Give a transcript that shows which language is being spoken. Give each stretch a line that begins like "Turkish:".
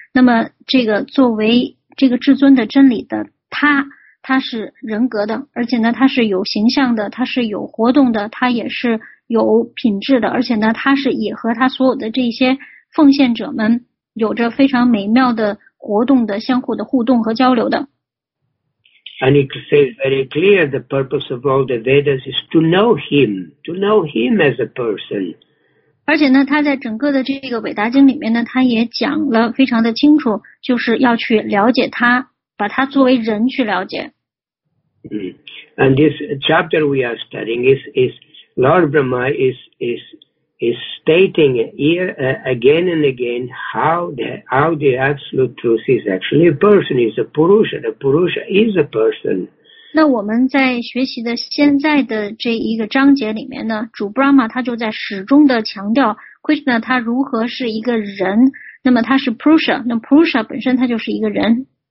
Chinese: 那么这个作为这个至尊的真理的他，他是人格的，而且呢他是有形象的，他是有活动的，他也是有品质的，而且呢他是也和他所有的这些奉献者们有着非常美妙的活动的相互的互动和交流的。
English: And it says very clear the purpose of all the Vedas is to know him as a person.
Chinese: 而且呢他在整个的这个韦达经里面呢他也讲了非常的清楚，就是要去了解他，把他作为人去了解。
English: And this chapter we are studying is Lord Brahma is stating here again and again how the Absolute Truth is actually a person, is a Purusha, the Purusha is a person.
Chinese: 那我们在学习的现在的这一个章节里面呢，主 Brahma 他就在始终的强调 Krishna 他如何是一个人，那么他是 Purusha, 那 Purusha 本身他就是一个人。